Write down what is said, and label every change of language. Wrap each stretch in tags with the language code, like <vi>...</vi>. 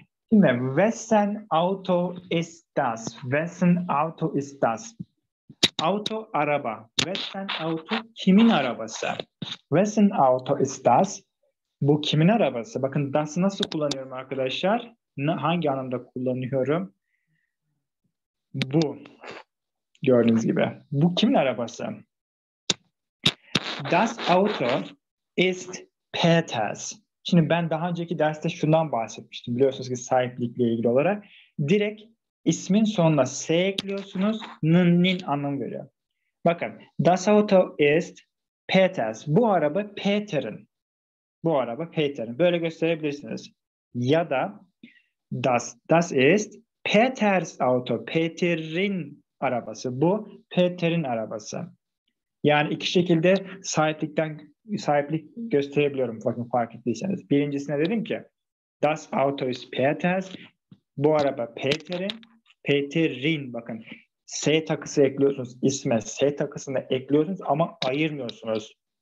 <tr>Şimdi,</tr> <de>wessen Auto ist das? Wessen Auto ist das? Auto,</de> <tr>araba.</tr> <de>Wessen Auto,</de> <tr>kimin arabası?</tr> <de>Wessen Auto ist das?</de> <tr>Bu kimin arabası? Bakın das'ı nasıl kullanıyorum arkadaşlar? Hangi anlamda kullanıyorum? Bu. Gördüğünüz gibi. Bu kimin arabası?</tr> <de>Das Auto ist Peters.</de> <tr>Şimdi ben daha önceki derste şundan bahsetmiştim. Biliyorsunuz ki sahiplikle ilgili olarak. Direkt ismin sonuna S ekliyorsunuz. N'nin anlamı veriyor. Bakın.</tr> <de>Das Auto ist Peters.</de> <tr>Bu araba Peter'in. Bu araba Peter'in. Böyle gösterebilirsiniz. Ya da</tr> <de>das ist Peters Auto.</de> <tr>Peter'in arabası. Bu Peter'in arabası. Yani iki şekilde sahiplik gösterebiliyorum. Bakın fark ettiyseniz. Birincisine dedim ki</tr> <de>das Auto ist Peters.</de> <tr>Bu araba Peter'in. Peter'in. Bakın S takısı ekliyorsunuz. İsme S takısını ekliyorsunuz ama ayırmıyorsunuz.</tr>